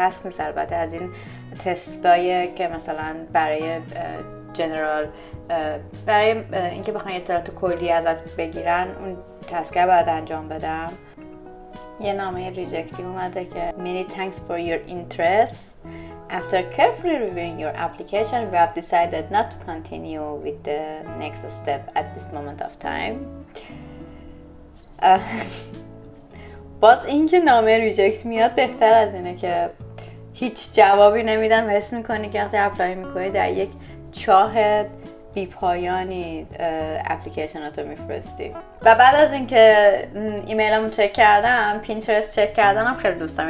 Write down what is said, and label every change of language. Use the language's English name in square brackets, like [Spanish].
[Persian] تسک نیست البته، از این تستایی که مثلا برای جنرال، برای اینکه بخواین اطلاعات کلی ازت بگیرن اون تسک باید انجام بدم. یه نامه ریجکتی اومده که [English] Many thanks for your interest. After carefully reviewing your application, we have decided not to continue with the next step at this moment of time. [Persian] باز این که نامه ریجکت میاد بهتر از اینه که هیچ جوابی نمیدن و حس میکنی که وقتی اپلای میکنی در یک چاه بی پایانی اپلیکیشناتو میفرستی. و بعد از اینکه ایمیلمو چک کردم، پینترست چک کردنم خیلی دوست دارم.